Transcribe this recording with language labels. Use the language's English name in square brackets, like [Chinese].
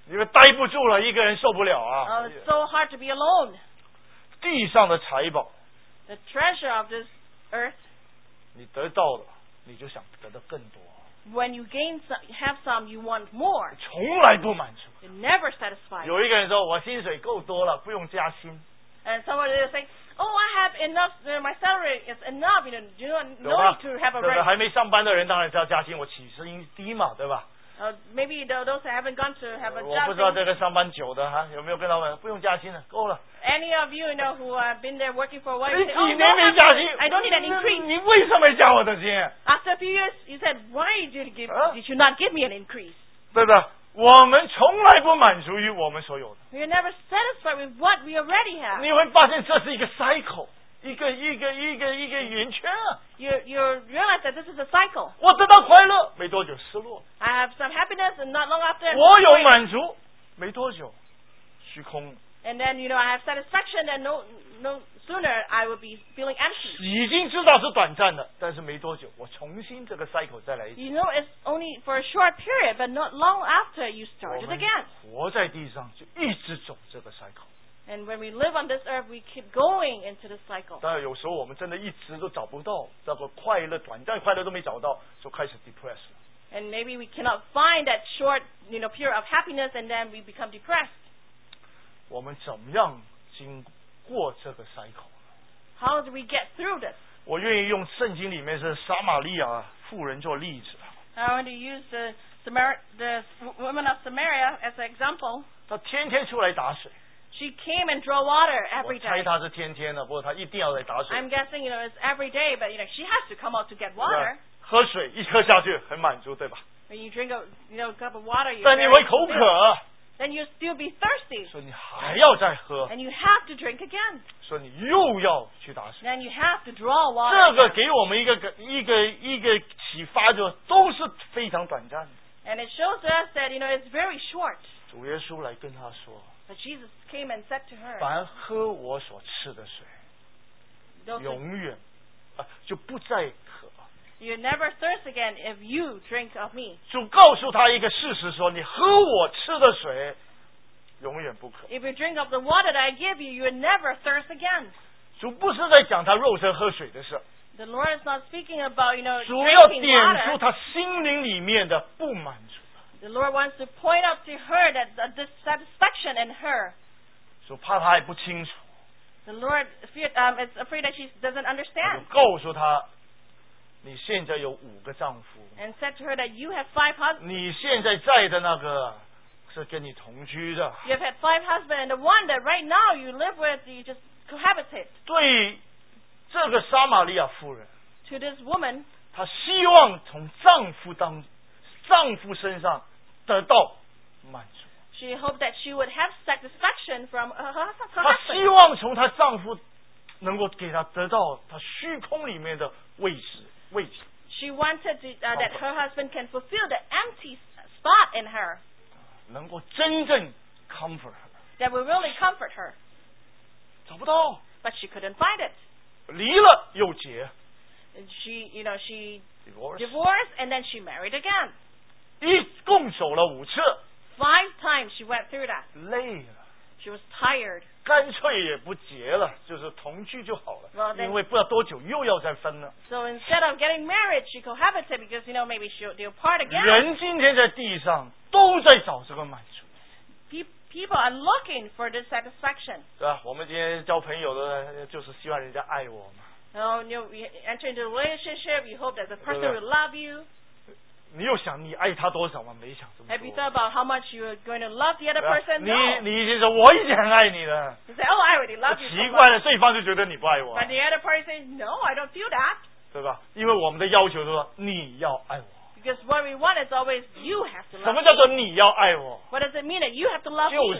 [Chinese] 因为待不住了，一个人受不了啊。 [English] It's so hard to be alone. [Chinese] 地上的财宝。 [English] The treasure of this earth. [Chinese] 你得到了，你就想得到更多。 [English] When you gain some, have some, you want more. [Chinese] 从来不满足。 [English] You're never satisfied. [Chinese] 有一个人说，我薪水够多了，不用加薪。 [English] And someone will say. Oh, I have enough, my salary is enough, you know, you don't know to have a raise. [Chinese] 还没上班的人当然要加薪，我起薪低嘛，对吧？ [English] Maybe those haven't gone to have a job. [Chinese] 我不知道这个上班久的哈，有没有跟他们不用加薪了，够了。 [English] Any of you, you know, who have been there working for a while, say, oh, no, I don't need an increase. [Chinese] 你为什么加我的薪？ [English] After a few years, you said, why did you not give me an increase? [Chinese] 对吧？我们从来不满足于我们所有的。 [English] We are never satisfied with what we already have. [Chinese] 你会发现这是一个 cycle, 一个圆圈啊。 [English] You realize that this is a cycle. [Chinese] 我得到快乐，没多久失落。 [English] I have some happiness and not long after. [Chinese] 我有满足，没多久虚空。 [English] And then, you know, I have satisfaction and no sooner I will be feeling empty. [Chinese] 已经知道是短暂的，但是没多久，我重新这个 cycle 再来一次。 [English] You know, it's only for a short period, but not long after you started again. [Chinese] 我们活在地上就一直走这个 cycle. [English] And when we live on this earth, we keep going into this cycle. [Chinese] 但有时候我们真的一直都找不到这个快乐，短暂快乐都没找到，就开始 depressed. [English] And maybe we cannot find that short, you know, period of happiness, and then we become depressed. [Chinese] 我们怎么样经过这个 cycle? [English] How do we get through this? [Chinese] 我愿意用圣经里面是撒玛利亚妇人做例子。 [English] I want to use the woman of Samaria as an example. [Chinese] 她天天出来打水。 [English] She came and drew water every day. [Chinese] 我猜她是天天的，不过她一定要来打水。 [English] I'm guessing, you know, it's every day, but you know, she has to come out to get water. [Chinese] 喝水一喝下去很满足，对吧？ [English] When you drink a, you know, cup of water, you. [Chinese] 但你会口渴。 [English] Then you still be thirsty. [Chinese] 说你还要再喝。 [English] And you have to drink again. [Chinese] 说你又要去打水。 [English] Then you have to draw water. [Chinese] 这个给我们一个启发，就都是非常短暂的。 [English] And it shows us that you know it's very short. [Chinese] 主耶稣来跟他说。 [English] But Jesus came and said to her. [Chinese] 凡喝我所赐的水，永远啊就不再渴。 [English] You never thirst again if you drink of me. [Chinese] 主告诉他一个事实说你喝我吃的水永远不渴。 [English] If you drink of the water that I give you, you never thirst again. [Chinese] 主不是在讲他肉身喝水的事。 [English] The Lord is not speaking about, you know, drinking water. [Chinese] 主要点出他心灵里面的不满足。 [English] The Lord wants to point out to her that the dissatisfaction in her. [Chinese] 主怕他还不清楚。 [English] The Lord is afraid that she doesn't understand. [Chinese] 告诉他你现在有五个丈夫。 [English] And said to her that you have five husbands. [Chinese] 你现在在的那个是跟你同居的。 [English] You have had five husbands, and the one that right now you live with, you just cohabited. [Chinese] 对这个撒玛利亚妇人。 [English] To this woman. [Chinese] 她希望从丈夫当丈夫身上得到满足。 [English] She hoped that she would have satisfaction from her husband. [Chinese] 她希望从她丈夫能够给她得到她虚空里面的位置。 [English] She wanted to, that her husband can fulfill the empty spot in her. [Chinese] 能够真正 [English] comfort her. That will really comfort her. [Chinese] 找不到。 [English] But she couldn't find it. [Chinese] 离了又结。 [English] She, you know, she divorced. Divorced and then she married again. [Chinese] 一共走了五次。 [English] Five times she went through that. [Chinese] 累了。 [English] She was tired. [Chinese] 干脆也不结了，就是同居就好了。 [English] Well, then, [Chinese] 因为不知道多久又要再分了。 [English] So instead of getting married, she cohabited because you know maybe she'll part again. [Chinese] 人今天在地上都在找这个满足。 [English] People are looking for this satisfaction. [Chinese] 对吧？我们今天交朋友的就是希望人家爱我嘛。 [English] Oh, you know, you enter into a relationship, you hope that the person will love you. [Chinese] 你又想你爱他多少吗？没想这么多。 [English] Have you thought about how much you're going to love the other person? No. [Chinese] 你已经说我已经很爱你了。 [English] You say, oh, I already love you. [Chinese] 奇怪了，对方就觉得你不爱我。 [English] But the other person says, no, I don't feel that. [Chinese] 对吧？因为我们的要求是说你要爱我。 [English] Because what we want is always you have to love me. [Chinese] 什么叫做你要爱我？ [English] What does it mean that you have to love me?